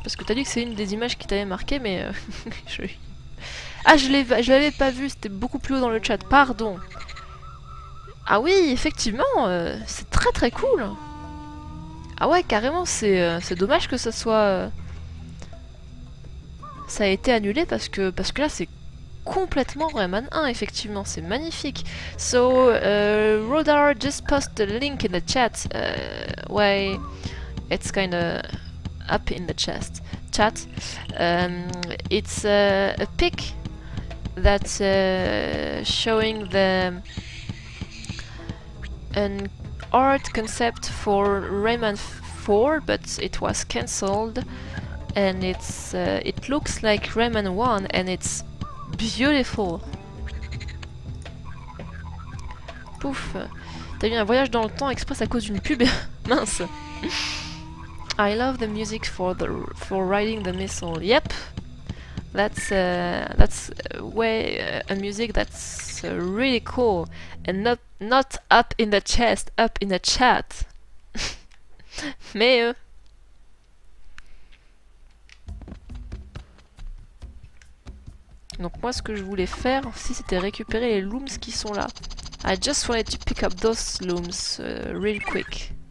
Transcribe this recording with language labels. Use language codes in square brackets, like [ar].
[fr] Parce que t'as dit que c'est une des images qui t'avait marqué, mais je l'avais pas vu, c'était beaucoup plus haut dans le chat, pardon. Ah oui, effectivement, c'est très très cool. Ah ouais, carrément, c'est dommage que ça soit... ça a été annulé parce que là c'est complètement Rayman 1, effectivement, c'est magnifique. [en] So, Rodar just posted the link in the chat. Why? It's kind of up in the chat. It's a pic that's showing an art concept for Rayman 4, but it was cancelled. And it looks like Rayman 1, and it's beautiful. Pouf. [fr] T'as eu un voyage dans le temps express à cause d'une pub. Mince. [en] I love the music for riding the missile. Yep. That's way a music that's really cool, and not up in the chest, up in the chat. [fr] Mais donc moi ce que je voulais faire aussi c'était récupérer les looms qui sont là. [en] I just wanted to pick up those looms real quick.